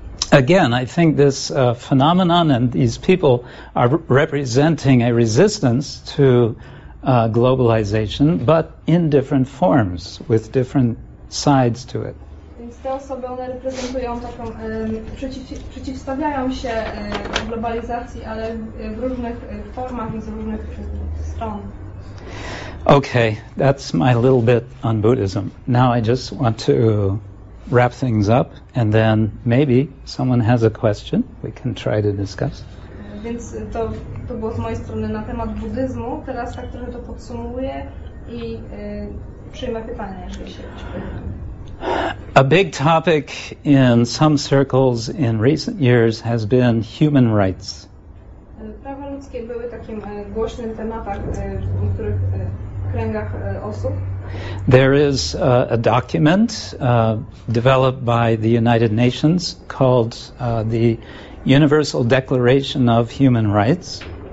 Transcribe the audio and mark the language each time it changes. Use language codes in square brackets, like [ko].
[en] Again, I think this phenomenon and these people are representing a resistance to globalization, but in different forms, with different sides to it. [pl] Więc te osoby, one reprezentują taką, przeciwstawiają się globalizacji, ale w różnych formach i z różnych stron. [en] Okay, that's my little bit on Buddhism. Now I just want to wrap things up, and then maybe someone has a question we can try to discuss. [pl] Więc to było z mojej strony na temat buddyzmu. Teraz tak trochę to podsumuję i przyjmę pytania, jeżeli się [en] A big topic in some circles in recent years has been human rights. [pl] Prawa ludzkie były takim głośnym tematem w niektórych kręgach osób. [en] There is a document developed by the United Nations called the Universal Declaration of Human Rights.